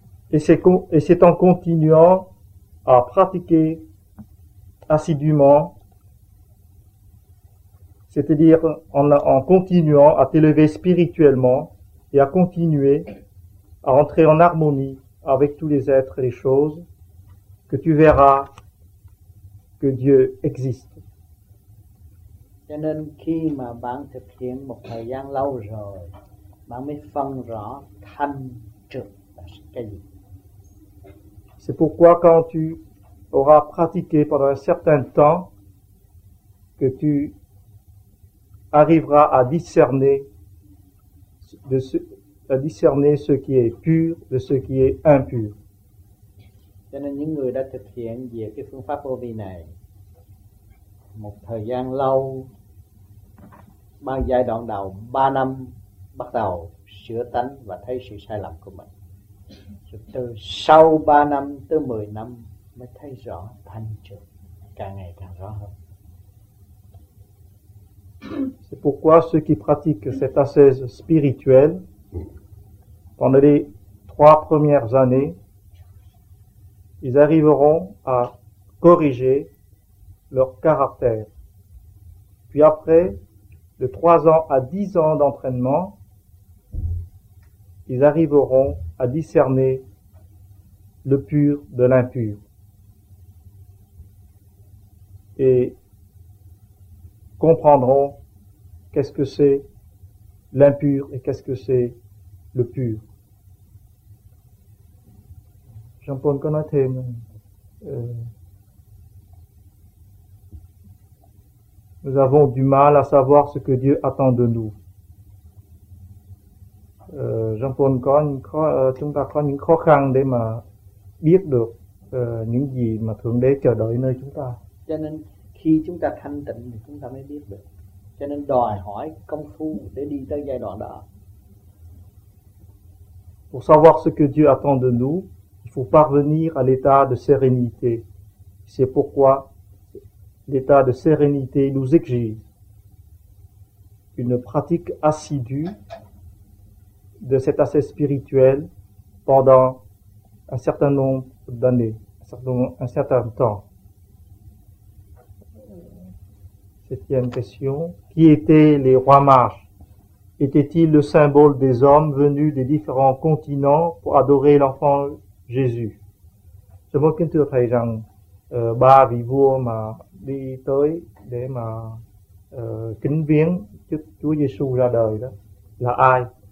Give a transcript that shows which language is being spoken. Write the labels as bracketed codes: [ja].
[fr] Et c'est en continuant à pratiquer assidûment, c'est-à-dire en continuant à t'élever spirituellement et à continuer à entrer en harmonie avec tous les êtres et les choses, que tu verras que Dieu existe. [vi] Cho nên khi mà bạn thực hiện một thời gian lâu rồi, bạn mới phân rõ thanh trực là cái gì. [fr] C'est pourquoi quand tu auras pratiqué pendant un certain temps, que tu arriveras à discerner ce qui est pur de ce qui est impur. [vi] Cho nên những người đã thực hiện về cái phương pháp vô vi này một thời gian lâu, ba giai đoạn đầu 3 năm bắt đầu sửa tánh và thấy sự sai lầm của mình. Rồi từ sau 3 năm tới 10 năm mới thấy rõ thanh trực càng ngày càng rõ hơn. [fr] C'est pourquoi ceux qui pratiquent cette ascèse spirituelle pendant les 3 premières années, ils arriveront à corriger leur caractère. Puis après de 3 ans à 10 ans d'entraînement, ils arriveront à discerner le pur de l'impur. Et comprendront qu'est-ce que c'est l'impur et qu'est-ce que c'est le pur. Jean-Paul Konaté, nous avons du mal à savoir ce que Dieu attend de nous. [vi] Jean-Paul Konaté, mà biết được những gì mà Thượng Đế chờ đợi nơi chúng ta. Cho nên khi chúng ta thanh tịnh thì chúng ta mới biết được. Cho nên đòi hỏi công phu để đi tới giai đoạn đó. [fr] Pour savoir ce que Dieu attend de nous, il faut parvenir à l'état de sérénité. C'est pourquoi l'état de sérénité nous exige une pratique assidue de cet aspect spirituel pendant un certain nombre d'années, un certain temps. Septième question. Qui étaient les rois mages? Était-il le symbole des hommes venus des différents continents pour adorer l'enfant Jésus? Je me suis dit que [vi] ba vị vua mà đi tới để mà kính viếng trước Chúa Giêsu ra đời đó là ai?